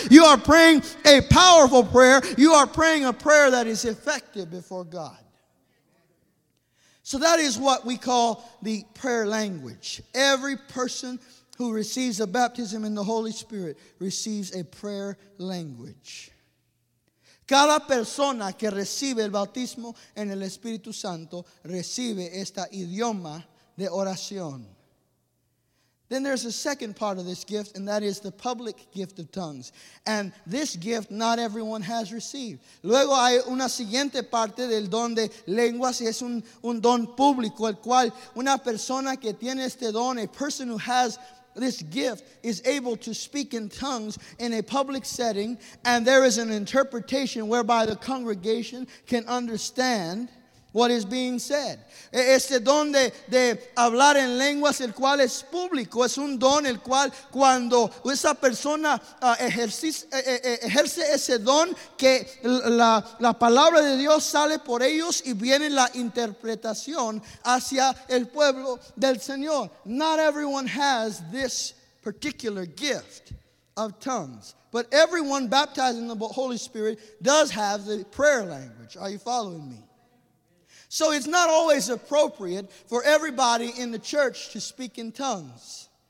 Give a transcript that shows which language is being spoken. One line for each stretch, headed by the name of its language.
English: You are praying a powerful prayer. You are praying a prayer that is effective before God. So that is what we call the prayer language. Every person who receives a baptism in the Holy Spirit receives a prayer language.
Spanish: Cada persona que recibe el bautismo en el Espíritu Santo recibe esta idioma de oración.
English: Then there's a second part of this gift, and that is the public gift of tongues. And this gift, not everyone has received.
Spanish: Luego hay una siguiente parte del don de lenguas, y es un don público, el cual una persona que tiene este don,
English: a person who has this gift, is able to speak in tongues in a public setting, and there is an interpretation whereby the congregation can understand what is being said.
Spanish: Este don de hablar en lenguas, el cual es público, es un don el cual cuando esa persona ejerce ese don, que la palabra de Dios sale por ellos y viene la interpretación hacia el pueblo del Señor.
English: Not everyone has this particular gift of tongues, but everyone baptized in the Holy Spirit does have the prayer language. Are you following me? So it's not always appropriate for everybody in the church to speak in tongues.